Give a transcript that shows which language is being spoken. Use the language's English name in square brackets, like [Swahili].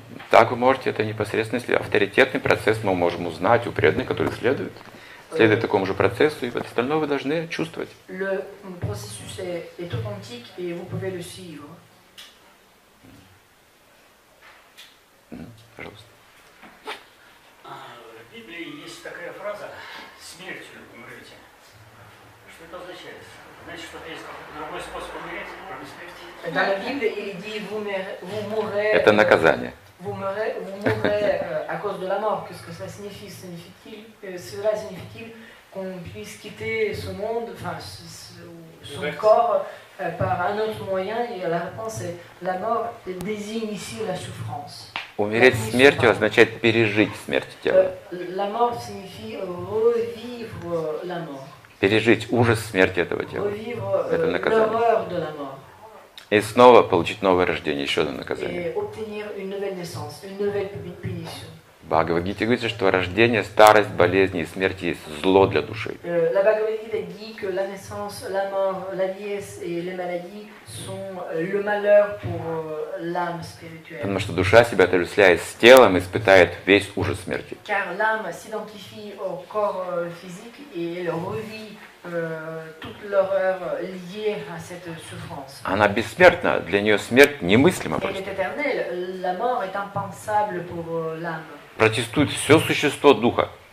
[Russian] Так вы можете, это непосредственно, если авторитетный процесс мы можем узнать у преданных, которые следуют. Следует такому же процессу, и вот остальное вы должны чувствовать. [French] Le processus est authentique, et vous pouvez le suivre. [Russian] Пожалуйста. В Библии есть такая фраза «смертью умрете». Что это означает? Значит, что-то есть другой способ умереть, кроме смерти. [French] Dans la Bible, il dit, vous [Russian] это наказание. [French] Vous mourrez à cause de la mort. Qu'est-ce que ça signifie? Cela signifie-t-il qu'on puisse quitter ce monde, enfin, son corps, par un autre moyen? Et la réponse est la mort désigne ici la souffrance. [Russian] Умереть смертью означает пережить смерть тела. [French] La mort signifie revivre la mort. [Russian] Пережить ужас смерти этого тела. [French] Revivre, [Russian] это наказание. [French] L'horreur de la mort. [Russian] И снова получить новое рождение, еще одно наказание. [French] Et obtenir une nouvelle naissance, une nouvelle punition. [Russian] Bhagavad Gita говорит, что рождение, старость, болезни и смерть есть зло для души. [French] La Bhagavad Gita dit que la naissance, la mort, la vieillesse et les maladies sont le malheur pour l'âme spirituelle. [Russian] Потому что душа себя отождествляет с телом, испытает весь ужас смерти. [French] Car l'âme s'identifie au corps physique et elle revit toute l'horreur liée à cette souffrance. [Russian] Она бессмертна, для нее смерть немыслима. [French] Elle est éternelle, la mort est impensable pour l'âme. [Russian] Протестует все существо духа.